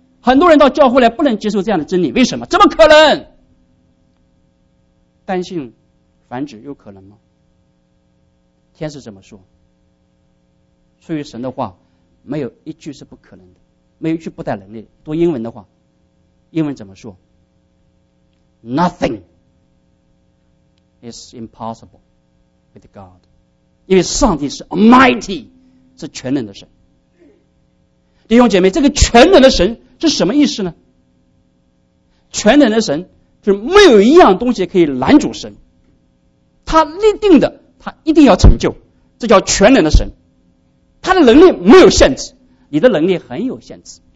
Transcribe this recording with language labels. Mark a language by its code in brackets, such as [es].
[zh] 很多人到教会来不能接受这样的真理，为什么？怎么可能？单性繁殖有可能吗？天使怎么说？出于神的话，没有一句是不可能的，没有一句不带能力。读英文的话，英文怎么说？ [en] Nothing is impossible with God， [zh] 因为上帝是 Almighty， 是全能的神。弟兄姐妹，这个全能的神是什么意思呢？全能的神就是没有一样东西可以拦阻神，他立定的他一定要成就，这叫全能的神。他的能力没有限制，你的能力很有限制，